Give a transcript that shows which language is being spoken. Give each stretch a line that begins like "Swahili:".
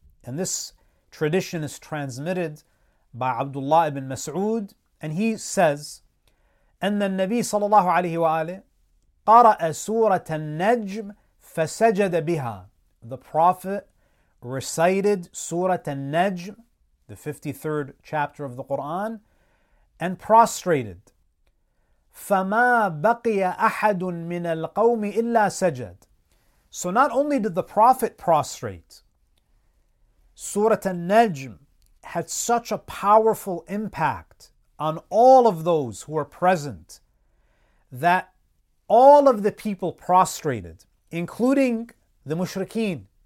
English: And this tradition is transmitted by Abdullah ibn Mas'ud, and he says,
Arabic: أن النبي صلى الله عليه وآله قرأ سورة النجم فسجد بها.
English: The Prophet recited Surah An-Najm, the 53rd chapter of the Quran, and prostrated.
Arabic: فما بقي أحد من القوم إلا سجد.
English: So not only did the Prophet prostrate, Surah An-Najm had such a powerful impact on all of those who were present that all of the people prostrated, including the mushrikeen.